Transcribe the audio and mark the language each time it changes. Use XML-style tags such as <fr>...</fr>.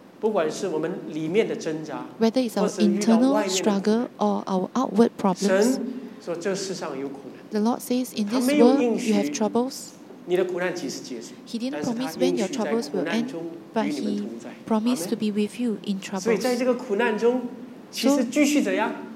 <zh>不管是我们里面的挣扎，</zh> <en>whether it's our internal struggle or our outward problems,</en> <zh>神说这世上有苦难。</zh> <en>The Lord says, in this world you have troubles.</en> <zh>你的苦难几时结束？</zh> <en>He didn't promise when your troubles will end, but He promised to be with you in trouble.</en> <zh>所以在这个苦难中，其实继续怎样？</zh>